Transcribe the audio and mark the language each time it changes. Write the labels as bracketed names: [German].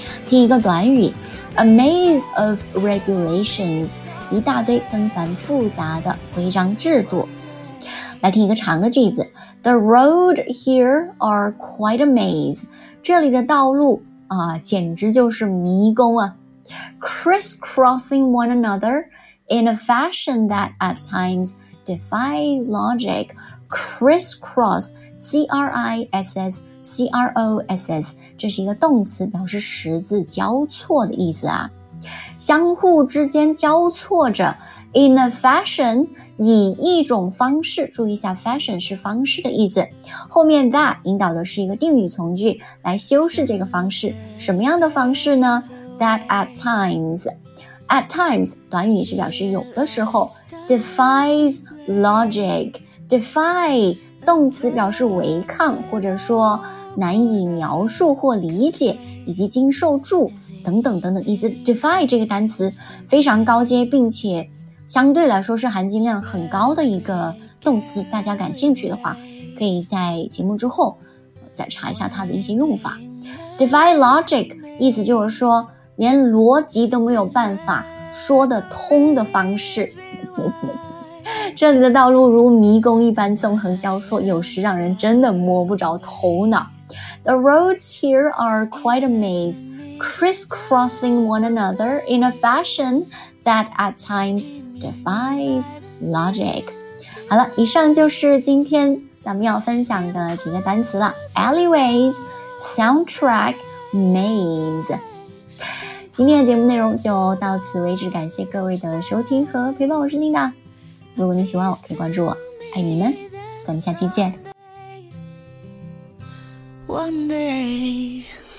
[Chinese] 听一个短语， [English] A maze of regulations， [Chinese] 一大堆纷繁复杂的规章制度。来听一个长的句子， [English] The road here are quite a maze， [Chinese] 这里的道路啊，简直就是迷宫啊。 [English] Crisscrossing one anotherIn a fashion that at times defies logic, crisscross, C-R-I-S-S-C-R-O-S-S, [Chinese] 这是一个动词，表示十字交错的意思啊。相互之间交错着 , [English] in a fashion, [Chinese] 以一种方式，注意一下 fashion 是方式的意思。后面 that 引导的是一个定语从句来修饰这个方式。什么样的方式呢？ [English] That at times,At times, [Chinese] 短语是表示有的时候 [English] defies logic, [Chinese] defy, 动词表示违抗或者说难以描述或理解以及经受住等等等等意思。 defy 这个单词非常高阶并且相对来说是含金量很高的一个动词，大家感兴趣的话可以在节目之后再查一下它的一些用法。 [English] Defy logic [Chinese] 意思就是说连逻辑都没有办法说得通的方式。这里的道路如迷宫一般纵横交错，有时让人真的摸不着头脑。 [English] The roads here are quite a maze, crisscrossing one another in a fashion that at times defies logic. [Chinese] 好了，以上就是今天咱们要分享的几个单词了。 [English] Alleyways, soundtrack, maze。 [Chinese] 今天的节目内容就到此为止，感谢各位的收听和陪伴，我是 Linda。如果你喜欢我可以关注我，爱你们，咱们下期见。 [English] One day